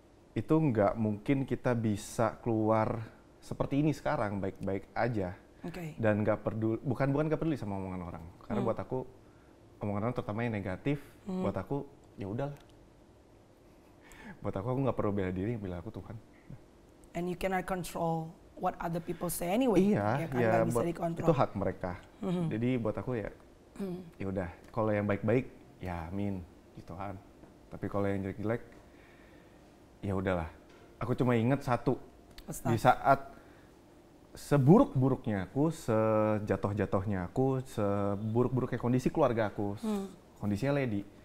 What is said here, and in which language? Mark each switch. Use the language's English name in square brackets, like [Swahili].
[Indonesian] itu nggak mungkin kita bisa keluar seperti ini sekarang baik-baik aja. Okay. Dan nggak peduli, bukan nggak peduli sama omongan orang. Karena buat aku omongan orang terutama yang negatif, buat aku ya udahlah. Buat aku nggak perlu bela diri, bela aku Tuhan. [English] And you cannot control what other people say anyway. [Indonesian] Iya, ya, kan? Ya, buat, itu hak mereka. Jadi buat aku ya, ya udah. Kalau yang baik-baik, ya amin, ya Tuhan. Tapi kalau yang jelek-jelek, ya udahlah. Aku cuma ingat satu. Di saat seburuk-buruknya aku, sejatuh-jatuhnya aku, seburuk-buruknya kondisi keluarga aku, kondisinya Lady.